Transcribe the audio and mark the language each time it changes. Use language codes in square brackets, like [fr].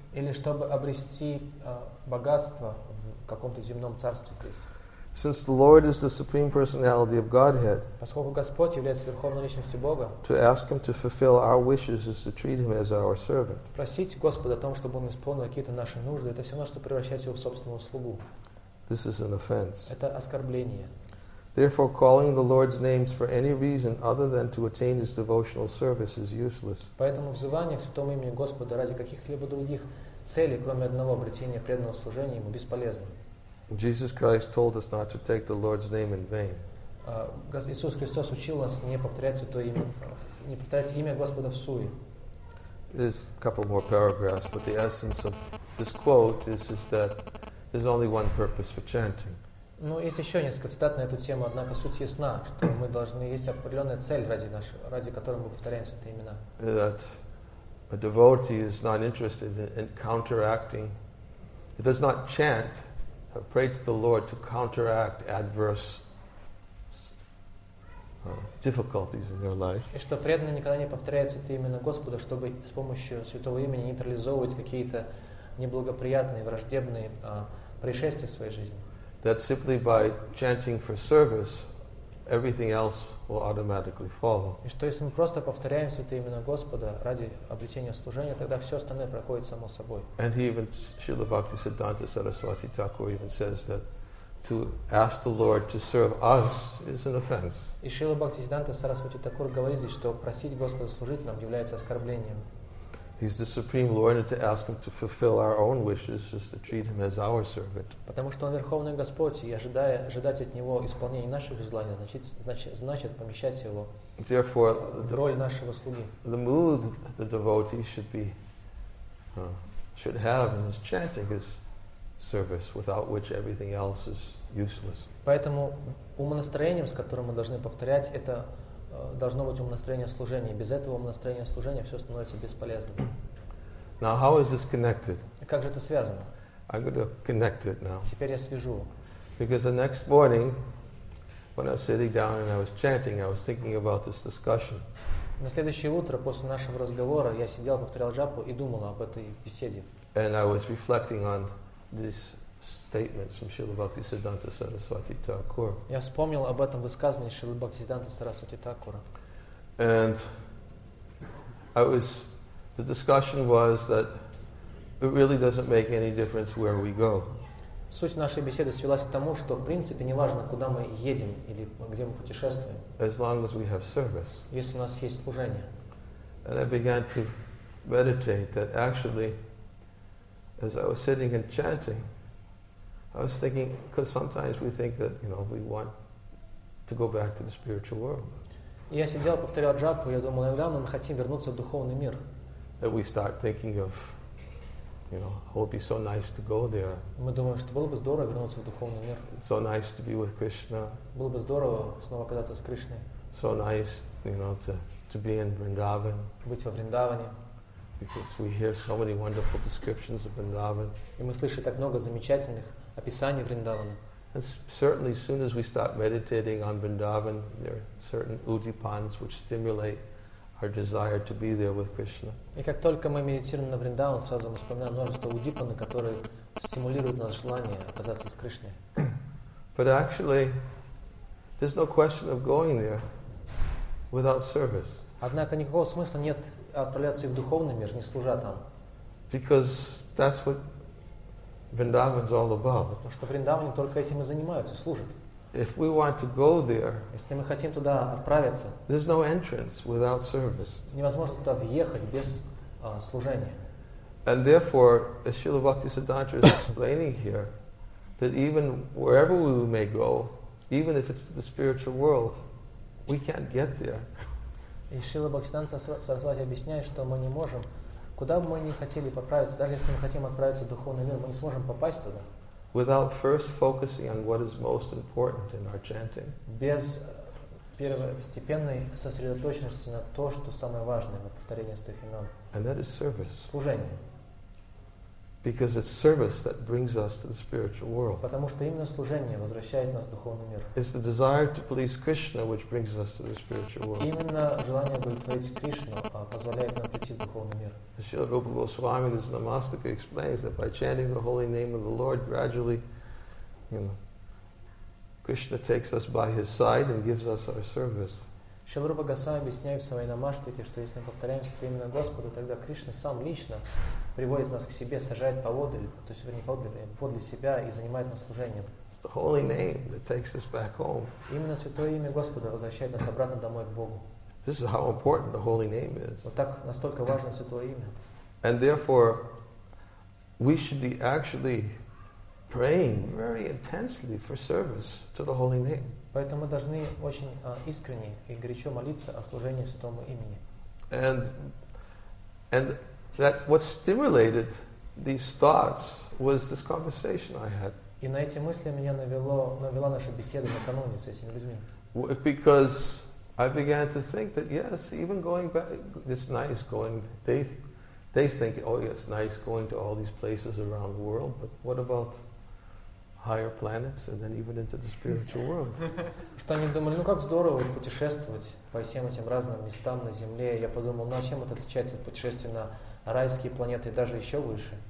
[ru] Или чтобы обрести богатство в каком-то земном царстве здесь. [en] Since the Lord is the Supreme Personality of Godhead, [ru] поскольку Господь является верховной личностью Бога, [en] to ask Him to fulfill our wishes is to treat Him as our servant. [ru] Просить Господа о том, чтобы Он исполнил какие-то наши нужды, это все равно, что превращать Его в собственного слугу. [en] This is an offense. [ru] Это оскорбление. [en] Therefore, calling the Lord's names for any reason other than to attain His devotional service is useless. [ru] Поэтому взывание к святому имени Господа ради каких-либо других целей, кроме одного обретения преданного служения Ему, бесполезно. [en] Jesus Christ told us not to take the Lord's name in vain. [ru] Иисус Христос учил нас не повторять святое имя, не повторять имя Господа в суе. [en] There's a couple more paragraphs, but the essence of this quote is that there's only one purpose for chanting. [ru] Ну, есть еще несколько цитат на эту тему, однако суть ясна, что мы должны есть определенная цель ради нашей, ради которой мы повторяем святые имена. [en] That a devotee is not interested in counteracting. He does not chant. Pray to the Lord to counteract adverse difficulties in your life. [ru] И что преданный никогда не повторяет святые имена Господа, чтобы с помощью святого имени нейтрализовывать какие-то неблагоприятные, враждебные происшествия в своей жизни. [en] That simply by chanting for service, everything else will automatically follow. [ru] И что если мы просто повторяем святые имена Господа ради обретения служения, тогда все остальное проходит само собой. [en] And he even Śrīla Bhaktisiddhānta Saraswati Thakur even says that to ask the Lord to serve us is an offense. [ru] И Śrīla Bhaktisiddhānta Saraswati Thakur говорит здесь, что просить Господа служить нам является оскорблением. [en] He's the Supreme Lord, and to ask Him to fulfill our own wishes is to treat Him as our servant. [ru] Потому что Он Верховный Господь, и ожидать от Него исполнения наших желаний значит помещать Его в роль нашего слуги. [en] The mood the devotee should have in his chanting is service, without which everything else is useless. [ru] Поэтому умонастроением, с которым мы должны повторять, это должно быть умонастроение служения. Без этого умонастроение служения все становится бесполезным. [en] Now, how is this connected? [ru] Как же это связано? [en] I'm going to connect it now. [ru] Теперь я свяжу. [en] Because the next morning, when I was sitting down and I was chanting, I was thinking about this discussion. [ru] На следующее утро после нашего разговора я сидел, повторял джапу и думал об этой беседе. [en] And I was reflecting on this statements from Śrīla Bhaktisiddhānta Saraswati Thakur. [ru] Я вспомнил об этом высказывании Śrīla Bhaktisiddhānta Saraswati Thakur. [en] And the discussion was that it really doesn't make any difference where we go. [ru] Суть нашей беседы свелась к тому, что в принципе не важно, куда мы едем или где мы путешествуем. [en] As long as we have service. [ru] Если у нас есть служение. [en] And I began to meditate that actually, as I was sitting and chanting, I was thinking, because sometimes we think that, you know, we want to go back to the spiritual world. [ru] Я сидел, повторял джапу, я думал, иногда мы хотим вернуться в духовный мир. [en] That we start thinking of, you know, it would be so nice to go there. [ru] Мы думаем, что было бы здорово вернуться в духовный мир. [en] So nice to be with Krishna. [ru] Было бы здорово снова оказаться с Кришной. [en] So nice, you know, to be in Vrindavan. [ru] Быть во Вриндаване. [en] Because we hear so many wonderful descriptions of Vrindavan. [ru] И мы слышим так много замечательных описаний Вриндавана. [en] And certainly, as soon as we start meditating on Vrindavan, there are certain utipans which stimulate our desire to be there with Krishna. [ru] И как только мы медитируем на Вриндаван, сразу мы вспоминаем множество утипаны, которые стимулируют наше желание оказаться с Кришной. [en] But actually, there's no question of going there without service. [ru] Однако никакого смысла нет отправляться в духовный мир, не служа там. [en] Because that's what Vrindavan's all about. [ru] Потому что Вриндаване только этим и занимаются, служат. [en] If we want to go there, [ru] если мы хотим туда отправиться, [en] there's no entrance without service. [ru] Невозможно туда въехать без служения. [en] And therefore, as Śrīla Bhaktisiddhānta is explaining here, that even wherever we may go, even if it's to the spiritual world, we can't get there. [ru] И Śrīla Bhaktisiddhānta Saraswati объясняет, что мы не можем, куда бы мы ни хотели поправиться, даже если мы хотим отправиться в духовный мир, мы не сможем попасть туда. [en] Without first focusing on what is most important in our chanting. [ru] Без первостепенной сосредоточенности на то, что самое важное в повторении святых имен. [en] And that is service. [ru] Служение. [en] Because it's service that brings us to the spiritual world. [ru] Потому что именно служение возвращает нас в духовный мир. [en] It's the desire to please Krishna which brings us to the spiritual world. [ru] Именно желание удовлетворить Кришну позволяет нам прийти в духовный мир. [en] Śrīla Rūpa Gosvāmī in his Namastika explains that by chanting the holy name of the Lord gradually, you know, Krishna takes us by his side and gives us our service. [ru] Шрила Рупа Госвами объясняет в своей намаштике, что если мы повторяем святое имя Господа, тогда Кришна сам лично приводит нас к себе, сажает поводы, то есть не поводы, а подле себя и занимает нас служением. [en] It's the holy name that takes us back home. [ru] Именно святое имя Господа возвращает нас обратно домой к Богу. [en] This is how important the holy name is. [ru] Вот так настолько важно святое имя. [en] And therefore, we should be actually praying very intensely for service to the holy name. [ru] Поэтому мы должны очень искренне и горячо молиться о служении Святому имени. [en] And that what stimulated these thoughts was this conversation I had. [ru] И на эти мысли меня навела наша беседа накануне с этими людьми. [en] Because I began to think that yes, even going back, it's nice going. They think, oh, it's nice going to all these places around the world, but what about higher planets and then even into the spiritual world. [ru] Что они думали, ну как здорово путешествовать по всем этим разным местам на Земле. Я подумал, ну а чем это отличается от путешествия на райские планеты и даже еще выше?